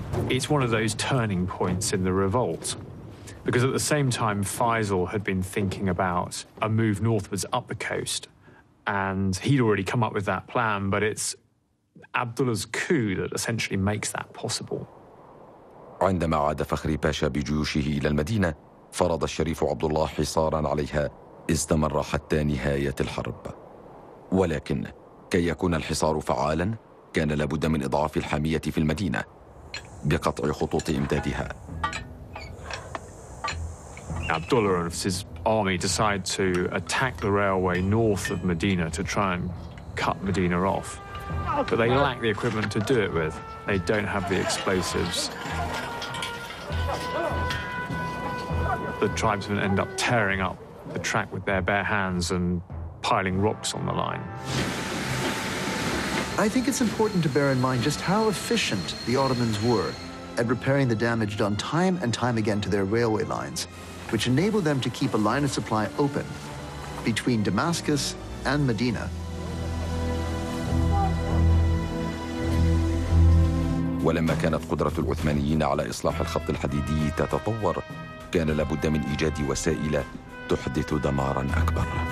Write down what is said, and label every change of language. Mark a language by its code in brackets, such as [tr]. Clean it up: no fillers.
[en] It's one of those turning points in the revolt, because at the same time, Faisal had been thinking about a move northwards up the coast, and he'd already come up with that plan, but it's Abdullah's coup that essentially makes that possible. [ar] عندما عاد فخري باشا بجيوشه إلى المدينة، فرض الشريف عبد الله حصاراً عليها استمر حتى نهاية الحرب. ولكن كي يكون الحصار فعالاً، كان لابد من إضعاف الحامية في المدينة بقطع خطوط إمدادها. [en] Abdullah and his army decide to attack the railway north of Medina to try and cut Medina off. But they lack the equipment to do it with. They don't have the explosives. The tribesmen end up tearing up the track with their bare hands and piling rocks on the line. I think it's important to bear in mind just how efficient the Ottomans were at repairing the damage done time and time again to their railway lines, which enabled them to keep a line of supply open between Damascus and Medina. [ar] ولما كانت قدرة العثمانيين على إصلاح الخط الحديدي تتطور، كان لابد من إيجاد وسائل تحدث دماراً أكبر.